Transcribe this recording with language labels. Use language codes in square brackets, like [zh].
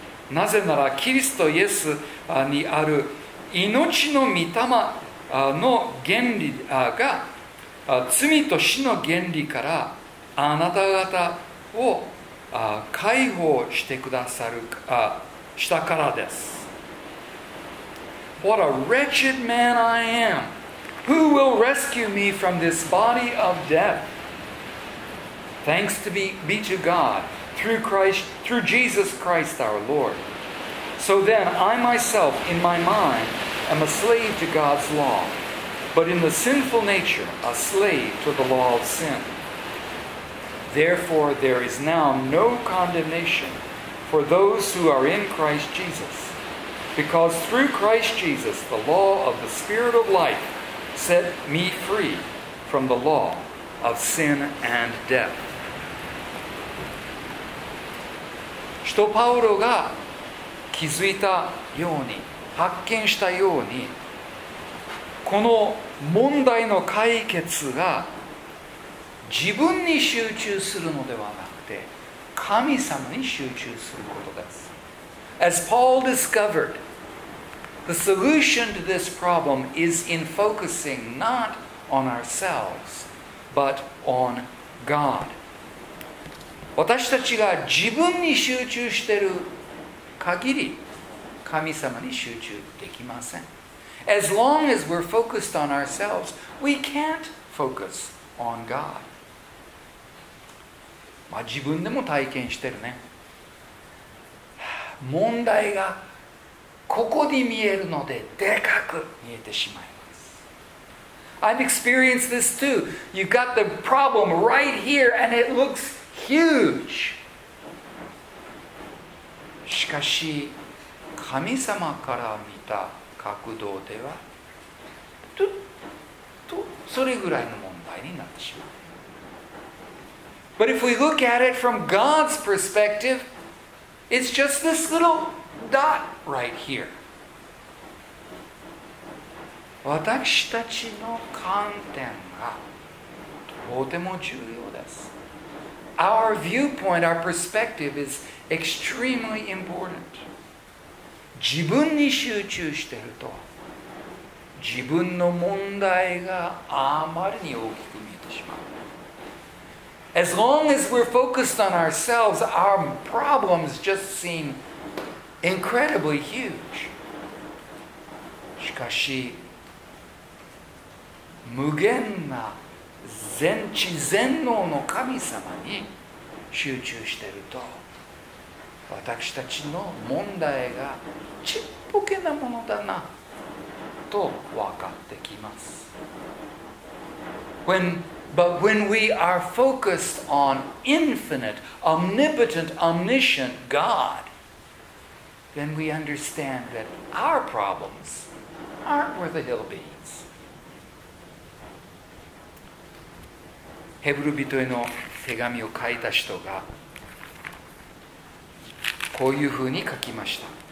[ja] なぜならキリストイエスにある命の御霊の原理が罪と死の原理からあなた方を解放してくださるしたからです。 [en] What a wretched man I am! Who will rescue me from this body of deathThanks to be to God through Jesus Christ our Lord. So then, I myself, in my mind, am a slave to God's law. but in the sinful nature, a slave to the law of sin. Therefore, there is now no condemnation for those who are in Christ Jesus, because through Christ Jesus, the law of the Spirit of life set me free from the law of sin and death. [ja] 使徒パウロが気づいたように、発見したように、この問題の解決が自分に集中するのではなくて、神様に集中することです。 [en] As Paul discovered, the solution to this problem is in focusing not on ourselves, but on God. [ja] 私たちが自分に集中している限り、神様に集中できません。 [en] As long as we're focused on ourselves, we can't focus on God. [ja] まあ自分でも体験してるね。問題がここに見えるのででかく見えてしまいます。 [en] I've experienced this too. You've got the problem right here and it looks... Huge. [ja] しかし神様から見た角度ではとそれぐらいの問題になってしまう。 [en] But if we look at it from God's perspective, it's just this little dot right here. [ja] 私たちの観点がとても重要です。 [en] Our viewpoint, our perspective is extremely important. [ja] 自分に集中していると、自分の問題があまりに大きく見えてしまう。 [en] As long as we're focused on ourselves, our problems just seem incredibly huge. [ja] しかし、無限な全知全能の神様に集中していると、私たちの問題がちっぽけなものだなと分かってきます。 [en] But when we are focused on infinite, omnipotent, omniscient God, then we understand that our problems aren't worth a hill of beans. [ja] ヘブル人への手紙を書いた人がこういうふうに書きました。